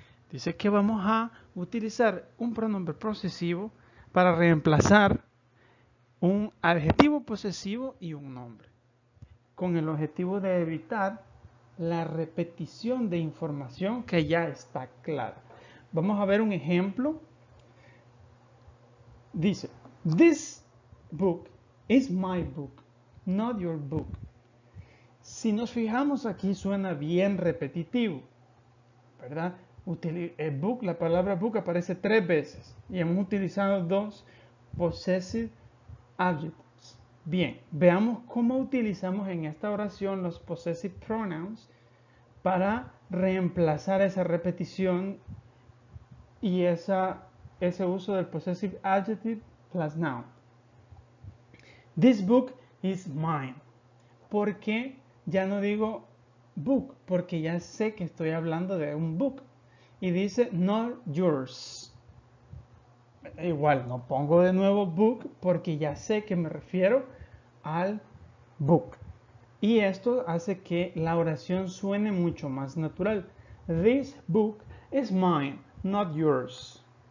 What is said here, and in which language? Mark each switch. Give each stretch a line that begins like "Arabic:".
Spanish: Dice que vamos a utilizar un pronombre posesivo para reemplazar un adjetivo posesivo y un nombre, con el objetivo de evitar la repetición de información que ya está clara. Vamos a ver un ejemplo. Dice:
English: This book is my book, not your book.
Spanish: Si nos fijamos aquí, suena bien repetitivo, ¿verdad? La palabra book aparece tres veces y hemos utilizado dos possessive adjectives. Bien, veamos cómo utilizamos en esta oración los possessive pronouns para reemplazar esa repetición y ese uso del possessive adjective plus noun.
English: This book is mine.
Spanish: ¿Por qué ya no digo book? Porque ya sé que estoy hablando de un book. Y dice
English: not yours.
Spanish: Igual, no pongo de nuevo book porque ya sé que me refiero al book. Y esto hace que la oración suene mucho más natural.
English: This book is mine, not yours.